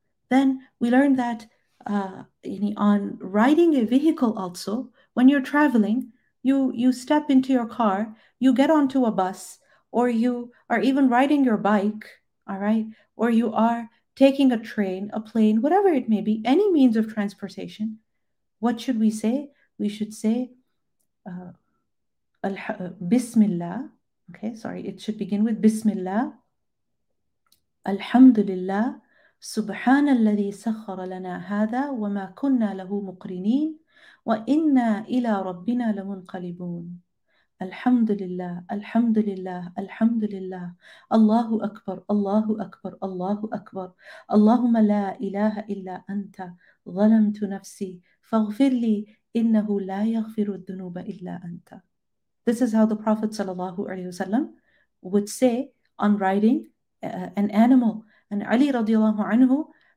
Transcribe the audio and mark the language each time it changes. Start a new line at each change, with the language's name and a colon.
English: Then we learn that on riding a vehicle also, when you're traveling, you step into your car, you get onto a bus, or you are even riding your bike, all right, or you are taking a train, a plane, whatever it may be, any means of transportation, what should we say? We should say, Bismillah, okay, sorry, it should begin with Bismillah, Alhamdulillah,
Arabic: Subhanalladhi sakhara lana hadha wa ma kunna lahu muqrineen, وَإِنَّا إِلَىٰ رَبِّنَا لَمُنْقَلِبُونَ الحمد لله الحمد لله الحمد لله الله أكبر الله أكبر الله أكبر اللهم لا إله إلا أنت ظلمت نفسي فاغفر لي إنه لا يغفر الذنوب إلا أنت.
English: This is how the Prophet صلى الله عليه وسلم would say on riding an animal. And Ali رضي الله عنه